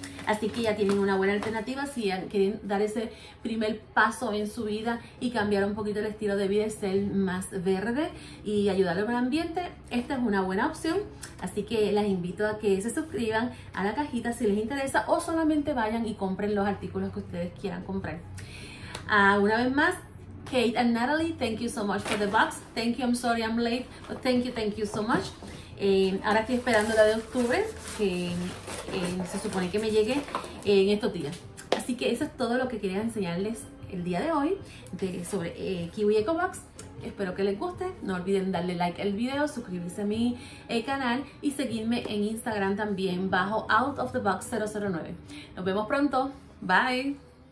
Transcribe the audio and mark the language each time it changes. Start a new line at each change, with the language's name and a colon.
Spanish: Así que ya tienen una buena alternativa si quieren dar ese primer paso en su vida y cambiar un poquito el estilo de vida, ser más verde y ayudar al ambiente. Esta es una buena opción. Así que las invito a que se suscriban a la cajita si les interesa o solamente vayan y compren los artículos que ustedes quieran comprar. Una vez más,
English: Kate and Natalie, thank you so much for the box. Thank you, I'm sorry I'm late, but thank you so much.
Spanish: Ahora estoy esperando la de octubre, que se supone que me llegue en estos días. Así que eso es todo lo que quería enseñarles el día de hoy sobre Kiwi Eco Box. Espero que les guste. No olviden darle like al video, suscribirse a mi canal y seguirme en Instagram también bajo Out of the Box 009. Nos vemos pronto. Bye.